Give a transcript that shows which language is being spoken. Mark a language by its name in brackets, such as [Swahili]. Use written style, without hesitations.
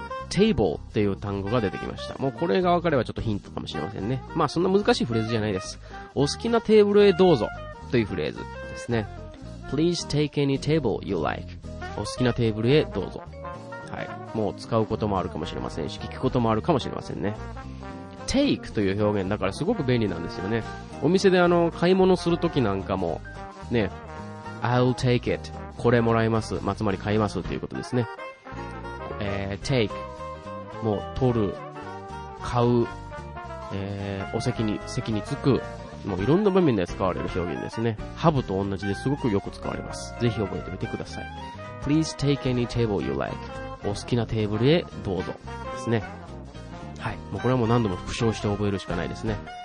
[Japanese] Table っていう単語が出てきました。もうこれがわかればちょっとヒントかもしれませんね。まあそんな難しいフレーズじゃないです。お好きなテーブルへどうぞというフレーズですね。 [English] Please take any table you like. [Japanese] お好きなテーブルへどうぞ。はい。もう使うこともあるかもしれませんし、聞くこともあるかもしれませんね。 Take という表現だからすごく便利なんですよね。お店で買い物するときなんかも、ね、 [English] I'll take it. [Japanese] これもらいます。まあ、つまり買いますということですね。 Take。 もう取る。買う。お席に着く。もういろんな場面で使われる表現ですね。ハブと同じですごくよく使われます。ぜひ覚えてみてください。 [English] Please take any table you like. [Japanese] お好きなテーブルへどうぞ。ですね。はい。もうこれはもう何度も復唱して覚えるしかないですね。